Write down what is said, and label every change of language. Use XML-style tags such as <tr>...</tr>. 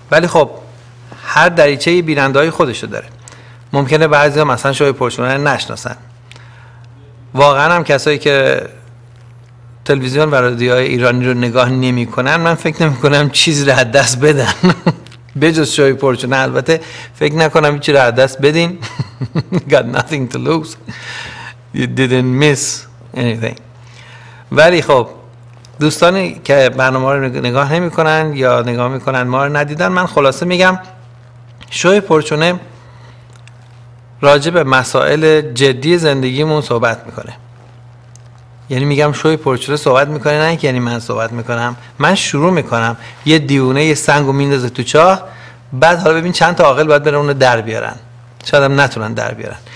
<fa>ولی خب هر دریچه بیننده‌ای خودشو داره، ممکنه بعضی ها مثلا شوی پرچونه نشناسن. واقعا هم کسایی که تلویزیون و رادیوهای ایرانی رو نگاه نمی کنن، من فکر نمی کنم چیزی رو از دست بدن. بجز شوی پرچونه البته، فکر نکنم چی رو از دست بدین.</fa> <en>Got nothing to lose. You didn't miss anything.</en> <fa>ولی خب دوستانی که برنامه رو نگاه نمی کنن یا نگاه می کنن ما رو ندیدن، من خلاصه میگم شوی پرچونه راجع به مسائل جدی زندگیمون صحبت میکنه. یعنی میگم شوی پرچونه صحبت میکنه، نه که یعنی من صحبت میکنم، من شروع میکنم، یه دیونه یه سنگو میندازه تو چاه، بعد حالا ببین چند تا عاقل باید برن اونو در بیارن، شاید هم نتونن در بیارن.</fa>